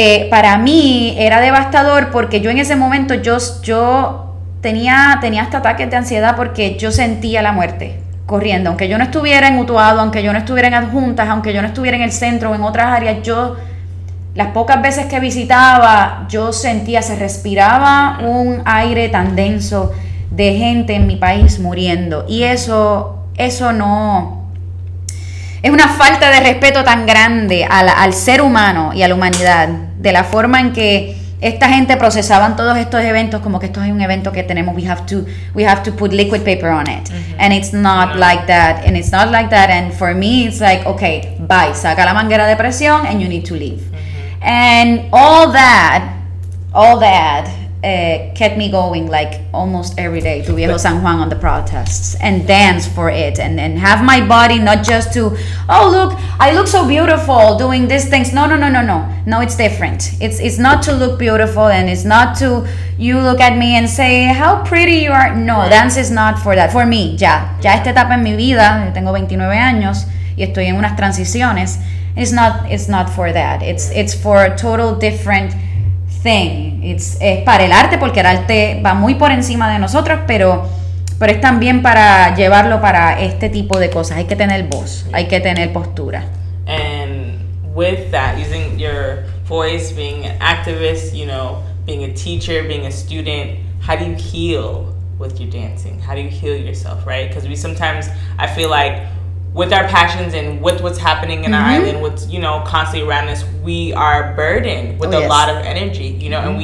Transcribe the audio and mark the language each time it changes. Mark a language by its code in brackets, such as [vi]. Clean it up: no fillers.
[es] Para mí era devastador porque yo en ese momento yo tenía hasta ataques de ansiedad porque yo sentía la muerte corriendo, aunque yo no estuviera en Utuado, aunque yo no estuviera en Adjuntas, aunque yo no estuviera en el centro o en otras áreas, yo las pocas veces que visitaba yo sentía, se respiraba un aire tan denso de gente en mi país muriendo, y eso no... Es una falta de respeto tan grande al ser humano y a la humanidad, de la forma en que esta gente procesaban todos estos eventos, como que esto es un evento que tenemos, [en] we have to put liquid paper on it. Mm-hmm. And it's not like that, and it's not like that, and for me it's like, okay, bye, [es] saca la manguera de presión [en] and you need to leave. Mm-hmm. And all that kept me going like almost every day to Viejo San Juan on the protests and dance for it and have my body not just to, oh look, I look so beautiful doing these things. No, it's different. It's not to look beautiful, and it's not to you look at me and say how pretty you are. No, right. Dance is not for that. For me, [es] ya esta etapa en mi vida, tengo 29 años y estoy en unas transiciones. [en] It's not for that. It's for a total different thing. [es] Es para el arte, porque el arte va muy por encima de nosotros, pero es también para llevarlo para este tipo de cosas. Hay que tener voz, hay que tener postura. [en] And with that, using your voice, being an activist, you know, being a teacher, being a student, how do you heal with your dancing? How do you heal yourself, right? Because we sometimes, I feel like, with our passions and with what's happening in mm-hmm. our island, with, you know, constantly around us, we are burdened with a lot of energy, you know, mm-hmm.